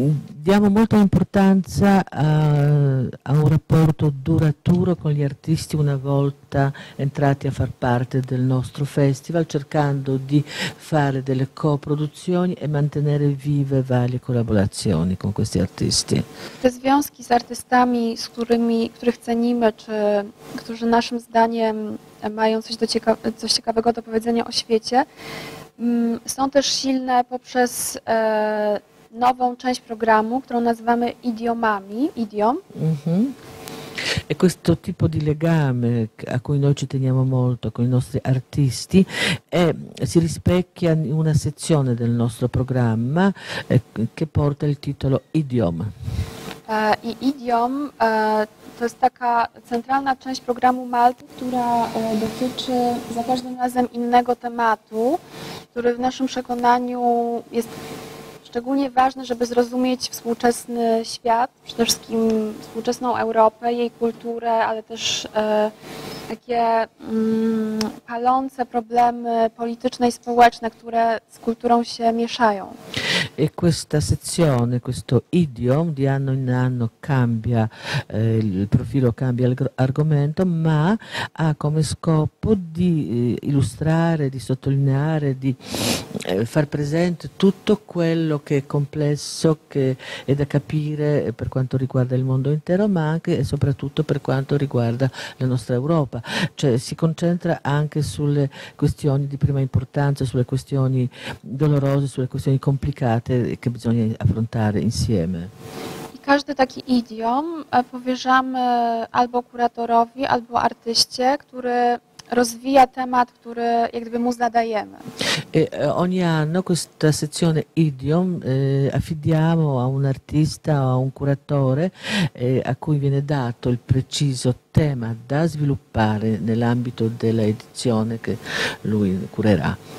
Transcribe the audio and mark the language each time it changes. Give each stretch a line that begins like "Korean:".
Italian: Diamo molta importanza a un rapporto duraturo con gli artisti una volta entrati a far parte del nostro festival, cercando di fare delle coproduzioni e mantenere vive varie collaborazioni con questi artisti.
Polish: Te związki z artystami, z którymi, których cenimy, czy którzy naszym zdaniem mają coś ciekawego do powiedzenia o świecie, są też silne poprzez nuova część programmu, che nazywamy idiomami, idiom.
Italian: E questo tipo di legame a cui noi ci teniamo molto con i nostri artisti si rispecchia in una sezione del nostro programma che porta il titolo Idiom.
Polish: I idiom to jest taka centralna część programu Malty, która dotyczy za każdym razem innego tematu, który w naszym przekonaniu jest szczególnie ważne, żeby zrozumieć współczesny świat, przede wszystkim współczesną Europę, jej kulturę, ale też takie palące problemy polityczne i społeczne, które z kulturą się mieszają.
Italian: E questa sezione, questo idiom, di anno in anno cambia il profilo, cambia l'argomento, ma ha come scopo di illustrare, di sottolineare, di far presente tutto quello che è complesso, che è da capire per quanto riguarda il mondo intero, ma anche e soprattutto per quanto riguarda la nostra Europa. Cioè si concentra anche sulle questioni di prima importanza, sulle questioni dolorose, sulle questioni complicate, che bisogna affrontare insieme.
Polish: I każdy taki idiom powierzamy albo kuratorowi, albo artyście, który rozwija temat, który jak gdyby mu zadajemy.
Italian: E ogni anno questa sezione idiom affidiamo a un artista o a un curatore a cui viene dato il preciso tema da sviluppare nell'ambito dell'edizione che lui curerà.